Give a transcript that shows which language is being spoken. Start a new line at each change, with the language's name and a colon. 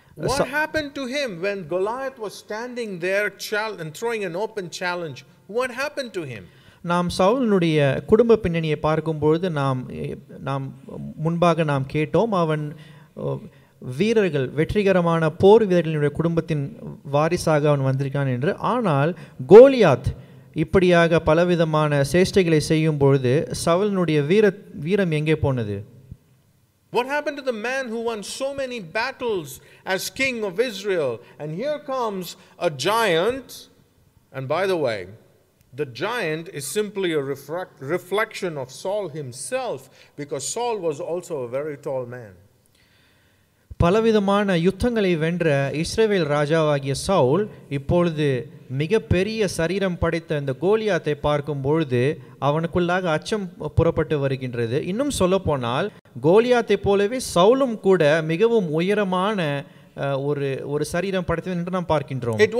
English: What happened to him when Goliath was standing there and throwing an open challenge? What happened to him?
Tamil: நாம் சவுலினுடைய குடும்ப பின்னணியை பார்க்கும்பொழுது நாம் முன்பாக நாம் கேட்டோம், அவன் வீரர்கள் வெற்றிகரமான போர் வீரர்களினுடைய குடும்பத்தின் வாரிசாக அவன் வந்திருக்கான் என்று. ஆனால் கோலியாத் இப்படியாக பலவிதமான சேஷ்டைகளை செய்யும் பொழுது சவுலினுடைய வீரம் எங்கே போனது?
English: What happened to the man who won so many battles as king of Israel? And here comes a giant. And by the way, the giant is simply a reflection of Saul himself, because Saul was also a very tall man.
Tamil: பலவிதமான யுத்தங்களை வென்ற இஸ்ரேவேல் ராஜாவாகிய சவுல் இப்பொழுது மிக பெரிய சரீரம் படைத்த இந்த கோலியாத்தை பார்க்கும் பொழுது அவனுக்குள்ளாக அச்சம் புறப்பட்டு வருகின்றது. இன்னும் சொல்ல போனால் கோலியாத்தை போலவே சவுலும் கூட மிகவும் உயரமான ஒரு ஒரு சரீரம் படைத்தது என்று நாம் பார்க்கின்றோம்.